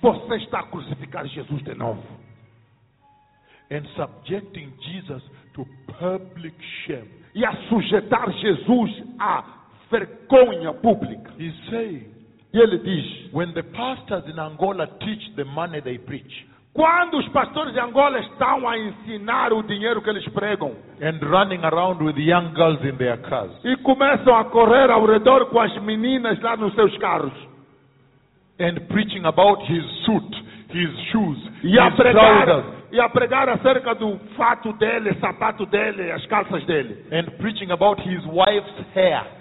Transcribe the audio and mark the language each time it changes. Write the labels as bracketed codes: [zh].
[pt] Você está a crucificar Jesus de novo. [en] And subjecting Jesus to public shame. [pt] E a sujeitar Jesus à vergonha pública. [en] He says, [pt] e ele diz, [en] when the pastors in Angola teach the money they preach. [pt] Quando os pastores de Angola estão a ensinar o dinheiro que eles pregam. [en] And running around with young girls in their cars. [pt] E começam a correr ao redor com as meninas lá nos seus carros. [en] And preaching about his suit, his shoes, his trousers. [pt] E a pregar acerca do fato dele, sapato dele, as calças dele. [en] And preaching about his wife's hair.